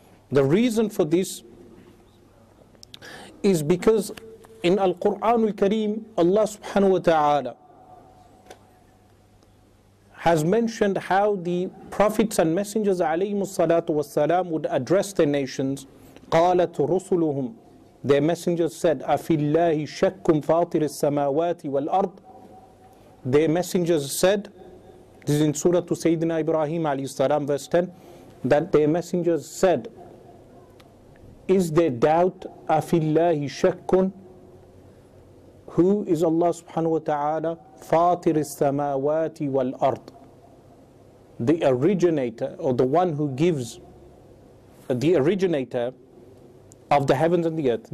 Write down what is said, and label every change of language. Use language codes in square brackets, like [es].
[en] The reason for this is because in Al-Qur'an al-Kareem, Allah subhanahu wa ta'ala has mentioned how the prophets and messengers alayhimu salatu wassalam would address the nations. [ar] قَالَتْ رُسُلُهُمْ, [en] their messengers said, [ar] أَفِي اللَّهِ شَكٌ فَاطِرِ السَّمَاوَاتِ وَالْأَرْضِ. [en] Their messengers said, this is in Surah to Sayyidina Ibrahim alayhi salam, verse 10, that their messengers said, is there doubt, afillahi shakkun, who is Allah subhanahu wa ta'ala, fatir as-samawati wal-ard, the originator, or the one who gives, the originator of the heavens and the earth.